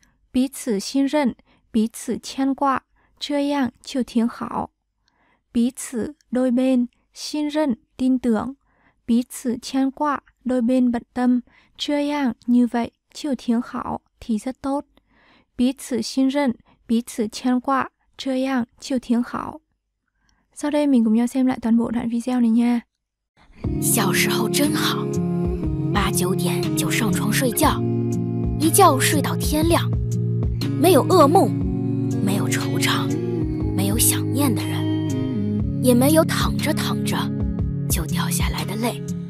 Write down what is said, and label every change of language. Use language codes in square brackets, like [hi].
[zh] 彼此信任，彼此牵挂，这样就挺好。 [vi] 彼此 đôi bên 信任 tin tưởng, 彼此牵挂 đôi bên bận tâm, 这样như vậy 就挺好, thì rất tốt. [zh] 彼此信任，彼此牵挂，这样就挺好。 [vi] Sau đây mình cùng nhau xem lại toàn bộ đoạn video này nha. [zh] 小时候真好，八九点就上床睡觉，一觉睡到天亮，没有噩梦，没有惆怅，没有想念的人，也没有躺着躺着就掉下来的泪。